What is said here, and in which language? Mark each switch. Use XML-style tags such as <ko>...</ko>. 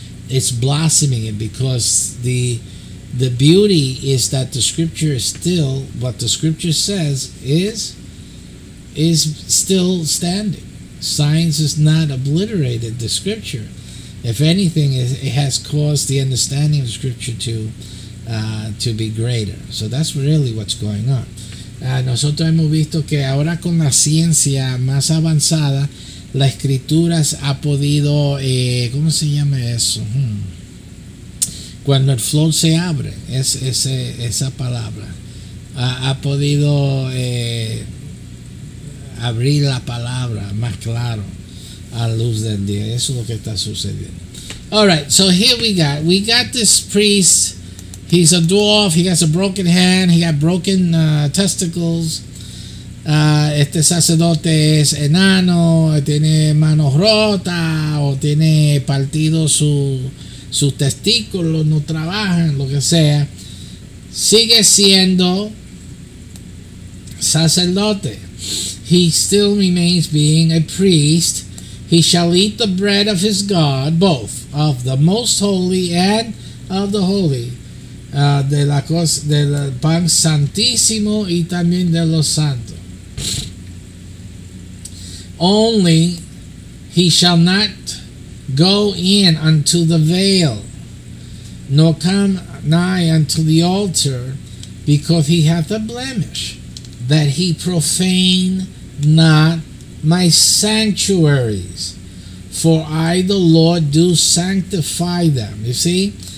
<en>It's blossoming it, because the beauty is that the scripture is still, what the scripture says is still standing. Science has not obliterated the scripture. If anything, it has caused the understanding of the scripture to be greater. So that's really what's going on.</en> <es>Nosotros hemos visto que ahora con la ciencia más avanzada, la escritura ha podido, ¿cómo se llama eso? Cuando el flow se abre, esa palabra, ha podido abrir la palabra más claro a luz del día. Eso es lo que está sucediendo.</es> <en>All right, so here we got this priest. He's a dwarf, he has a broken hand, he got broken testicles.</en> <es>Este sacerdote es enano, tiene manos rotas, o tiene partido su testículo, no trabajan, lo que sea. Sigue siendo sacerdote.</es> <en>He still remains being a priest. He shall eat the bread of his God, both of the most holy and of the holy.</en> <es>De la cosa, del pan santísimo y también de los santos.</es> <en>Only he shall not go in unto the veil, nor come nigh unto the altar, because he hath a blemish, that he profane not my sanctuaries, for I the Lord do sanctify them. You see?</en>